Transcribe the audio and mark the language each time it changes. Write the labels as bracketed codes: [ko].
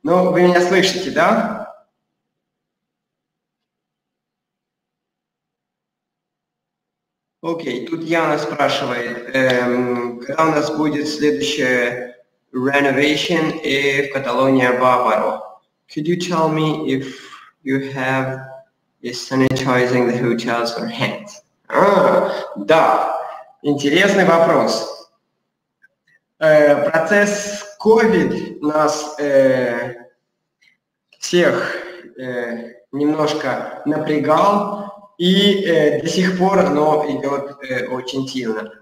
[ru] Ну, вы меня слышите, да? Окей, тут Яна спрашивает, когда у нас будет следующая renovation в Каталонии Баваро? [en] Could you tell me if you have is sanitizing the hotels or hands? [ru] А, да. Интересный вопрос. Процесс COVID нас всех немножко напрягал, и до сих пор оно идет очень сильно.